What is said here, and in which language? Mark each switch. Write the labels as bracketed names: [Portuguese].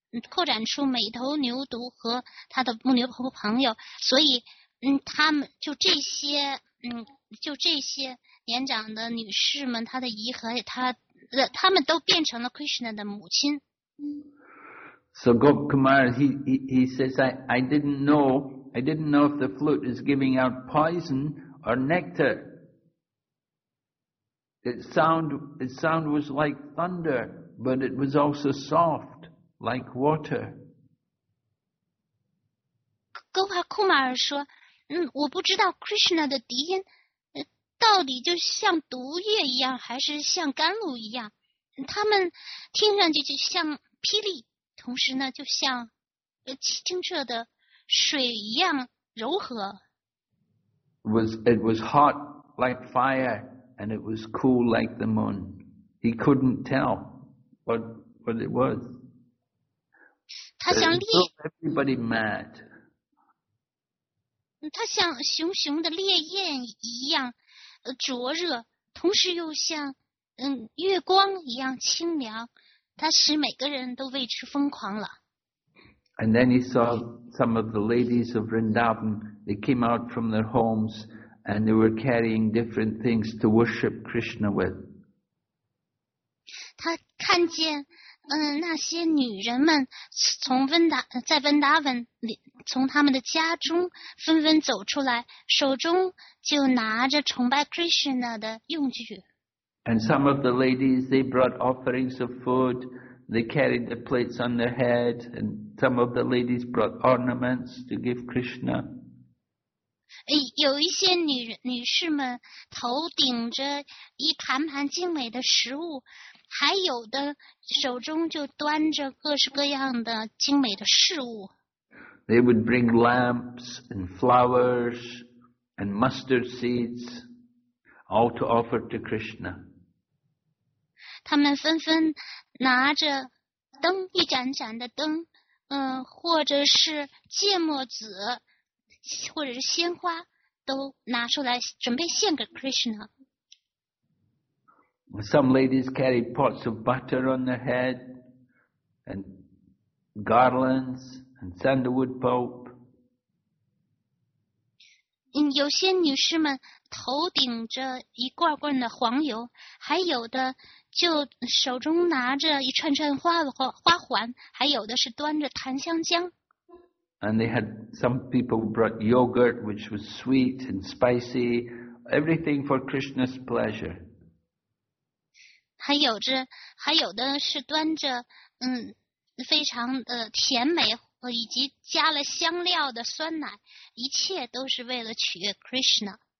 [Chinese] 扩展出每头牛犊和他的牧牛朋友，所以他们就这些就这些年长的女士们，她的姨和他们都变成了 Krishna 的母亲。 [English] So Gopkumar, he says, I didn't know if the flute is giving out poison or nectar. Its sound was like thunder, but it was also soft, like water. [Chinese] Gopkumar 说，我不知道 Krishna 的笛音到底就像毒液一样，还是像甘露一样，他们听上去就像霹雳。同时呢，就像清澈的水一样柔和。 [English] It was hot like fire, and it was cool like the moon. He couldn't tell what it was. [Chinese] 他像烈。 [English] Everybody mad. [Chinese] 他像熊熊的烈焰一样灼热，同时又像月光一样清凉。他使每个人都为之疯狂了。 [English] And then he saw some of the ladies of Vrindavan. They came out from their homes and they were carrying different things to worship Krishna with. [Chinese] 他看见那些女人们在 Vrindavan 里，从他们的家中纷纷走出来，手中就拿着崇拜 Krishna 的用具。 [English] And some of the ladies, they brought offerings of food. They carried the plates on their head. And some of the ladies brought ornaments to give Krishna. [Chinese] 有一些女士们头顶着一盘盘精美的食物，还有的手中就端着各式各样的精美的饰物。 [English] They would bring lamps and flowers and mustard seeds, all to offer to Krishna. [Chinese] 他们纷纷拿着灯，一盏盏的灯，或者是芥末籽，或者是鲜花，都拿出来准备献给 Krishna。 [English] Some ladies carry pots of butter on their head, and garlands, and sandalwood pulp. [Chinese] 有些女士们头顶着一罐罐的黄油，还有的就手中拿着一串串花环，还有的是端着檀香浆。 [English] And they had some people brought yogurt, which was sweet and spicy, everything for Krishna's pleasure. [Chinese] 还有的是端着非常甜美以及加了香料的酸奶，一切都是为了取悦 Krishna.